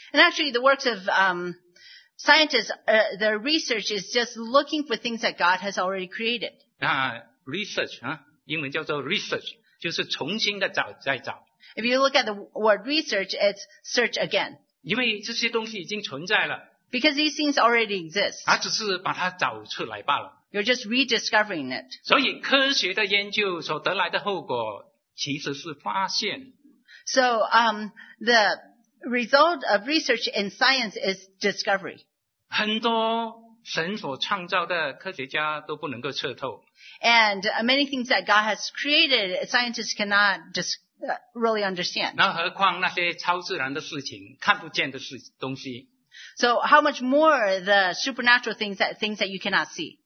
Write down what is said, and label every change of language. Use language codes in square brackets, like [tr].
[en] and actually the works of scientists, their research is just looking for things that God has already created. [zh] Research, 英文叫做 research, 就是重新的找再找. [en] If you look at the word research, it's search again. [zh] 因为这些东西已经存在了, [en] because these things already exist. [zh] 只是把它找出来罢了, [en] you're just rediscovering it. [zh] 所以科学的研究所得来的后果其实是发现. [en] So, the result of research in science is discovery. [zh] 很多神所创造的科学家都不能够彻透. [en] And many things that God has created, scientists cannot just really understand. [zh] 那何况那些超自然的事情,看不见的东西. [en] So how much more the supernatural things that you cannot see?